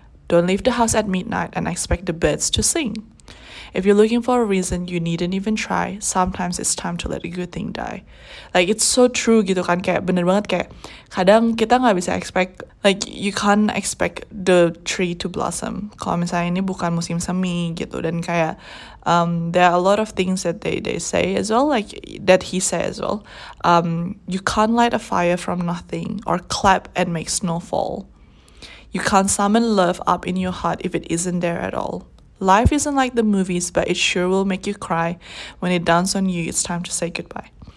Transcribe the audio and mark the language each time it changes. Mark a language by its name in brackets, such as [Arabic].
[English] Don't leave the house at midnight and expect the birds to sing. If you're looking for a reason, you needn't even try. Sometimes it's time to let a good thing die. Like, it's so true [Indonesian] gitu kan. Kayak bener banget, kayak kadang kita gak bisa [English] expect, like, you can't expect the tree to blossom. [Indonesian] Kalau misalnya ini bukan musim semi gitu. Dan kayak, [English] there are a lot of things that they say as well, like, that he say as well. You can't light a fire from nothing or clap and make snow fall. You can't summon love up in your heart if it isn't there at all. Life isn't like the movies, but it sure will make you cry. When it dawns on you, it's time to say goodbye.